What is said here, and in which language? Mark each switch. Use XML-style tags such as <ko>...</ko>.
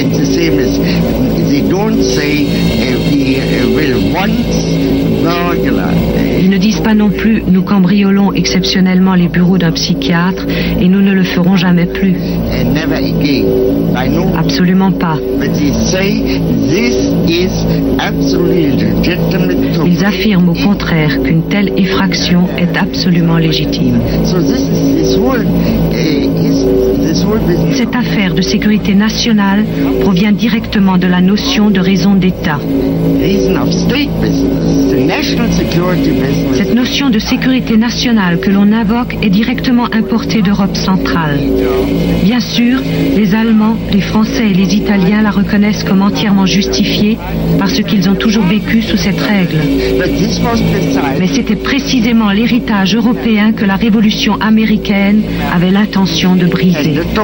<en>It's the same as they don't say we'll once burglar.</en> <fr>Ils ne disent pas non plus nous cambriolons exceptionnellement les bureaux d'un psychiatre et nous ne le ferons jamais plus.</fr> <en>Never again. I know.</en> <fr>Absolument pas.</fr> <en>But they say this is absolutely legitimate.</en> <fr>Ils affirment au contraire qu'une telle effraction est absolument légitime.</fr> <en>So this whole business.</en> <fr>Cette affaire de sécurité nationale provient directement de la notion de raison d'État.</fr> <en>Reason of state business, the national security business.</en> <fr>Cette notion de sécurité nationale que l'on invoque est directement importée d'Europe centrale. Bien sûr, les Allemands, les Français et les Italiens la reconnaissent comme entièrement justifiée parce qu'ils ont toujours vécu sous cette règle. Mais c'était précisément l'héritage européen que la révolution américaine avait l'intention de briser.</fr>